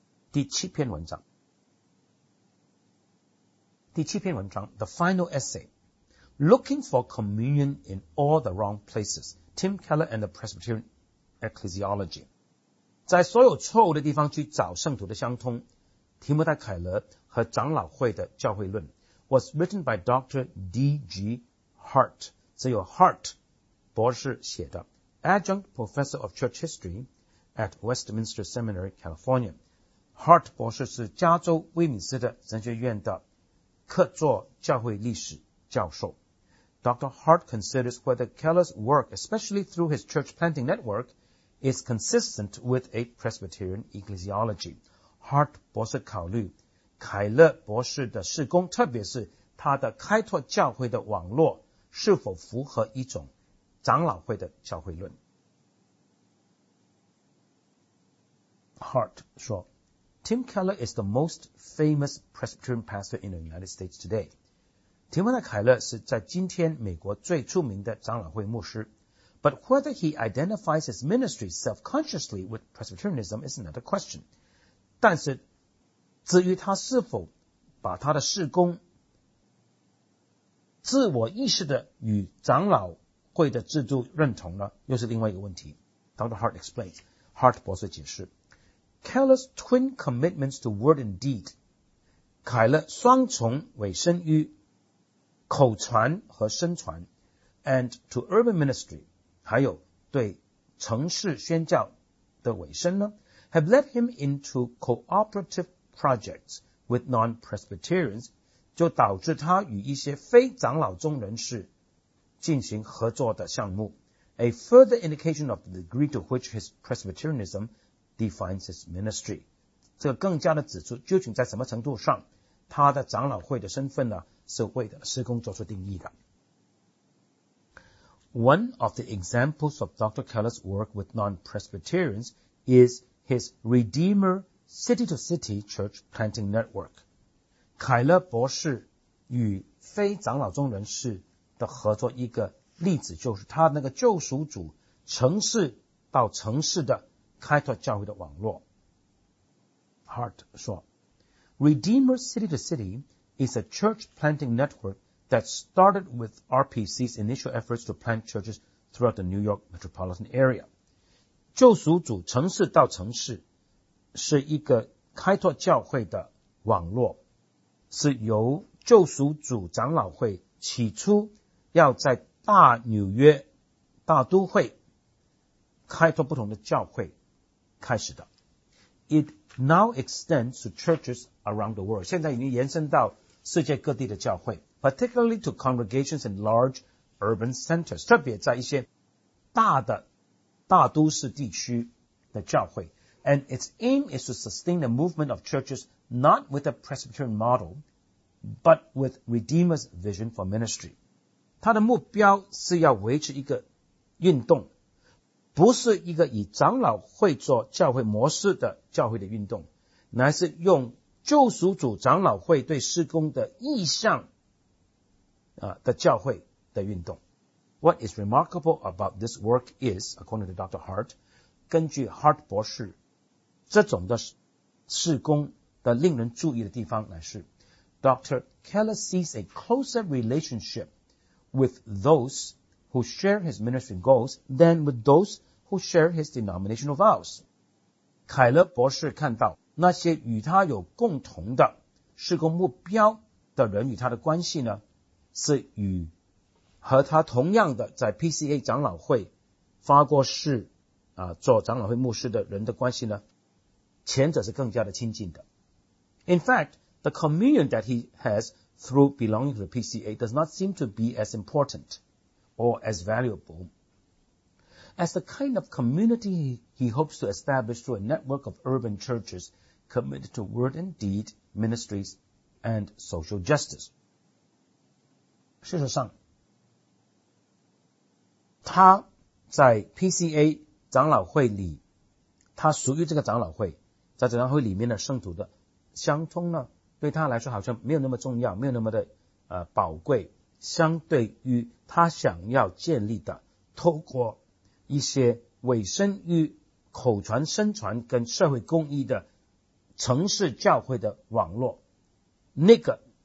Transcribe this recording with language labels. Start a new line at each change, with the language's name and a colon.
Chinese: 第七篇文章。第七篇文章
English: The Final Essay Looking for Communion in All the Wrong Places Tim Keller and the Presbyterian Ecclesiology
Chinese: 在所有错误的地方去找圣徒的相通提摩太凯勒和长老会的教会论
English: was written by Dr. D.G. Hart
Chinese: 只有 Hart 博士写的
English: Adjunct Professor of Church History at Westminster Seminary, California Hart
Chinese: 博士是加州威敏斯特神学院的客座教会历史教授
English: Dr. Hart considers whether Keller's work, especially through his church planting network, is consistent with a Presbyterian ecclesiology.
Chinese: Hart 博士考虑凯勒博士的事工特别是他的开拓教会的网络是否符合一种长老会的教会论。
English: Hart
Chinese: 说
English: Tim Keller is the most famous Presbyterian pastor in the United States today.
Chinese: 提摩太·凯勒是在今天美国最出名的长老会牧师。
English: But whether he identifies his ministry self-consciously with Presbyterianism is another question.
Chinese: 但是至于他是否把他的事工自我意识的与长老会的制度认同呢又是另外一个问题。
English: Dr. Hart explains. Hart
Chinese: 博士解释。
English: Keller's twin commitments to word and deed,
Chinese: 凯勒双重委身于口传和身传
English: and to urban ministry,
Chinese: 还有对城市宣教的委身呢
English: have led him into cooperative projects with non-Presbyterians,
Chinese: 就导致他与一些非长老宗人士进行合作的项目
English: a further indication of the degree to which his Presbyterianism defines his ministry.
Chinese: 这个更加的指出究竟在什么程度上他的长老会的身份呢是为了施工做出定义的。
English: One of the examples of Dr. Keller's work with non-Presbyterians is his Redeemer City-to-City Church Planting Network.
Chinese: 凯勒博士与非长老宗人士的合作一个例子就是他那个救赎主城市到城市的开拓教会的网络。
English: Hart
Chinese: 说
English: Redeemer City to City is a church planting network that started with RPC's initial efforts to plant churches throughout the New York metropolitan area.
Chinese: 救赎主城市到城市是一个开拓教会的网络是由救赎主长老会起初要在大纽约大都会开拓不同的教会开始的。
English: It now extends to churches around the world.
Chinese: 现在已经延伸到世界各地的教会
English: particularly to congregations in large urban centers,
Chinese: 特别在一些大的大都市地区的教会。
English: And its aim is to sustain the movement of churches not with a Presbyterian model, but with Redeemer's vision for ministry.
Chinese: 它的目标是要维持一个运动，不是一个以长老会做教会模式的教会的运动，乃是用救赎主长老会对施工的意向的教会的运动。
English: What is remarkable about this work is, according to Dr.
Chinese: Hart, 根据 Hart 博士，这种的事工的令人注意的地方乃是 Dr.
English: Keller sees a closer relationship with those who share his ministry goals than with those who share his denominational vows.
Chinese: 凯勒博士看到那些与他有共同的事工目标的人与他的关系呢，是与和他同样的在 PCA 长老会发过誓做长老会牧师的人的关系呢，前者是更加的亲近的。
English: In fact, the communion that he has through belonging to the PCA does not seem to be as important or as valuable as the kind of community he hopes to establish through a network of urban churches committed to word and deed, ministries, and social justice.
Chinese: 事实上，他在 PCA 长老会里，他属于这个长老会，在长老会里面的圣徒的相通呢，对他来说好像没有那么重要，没有那么的宝贵，相对于他想要建立的透过一些委身于口传身传跟社会公益的城市教会的网络，那个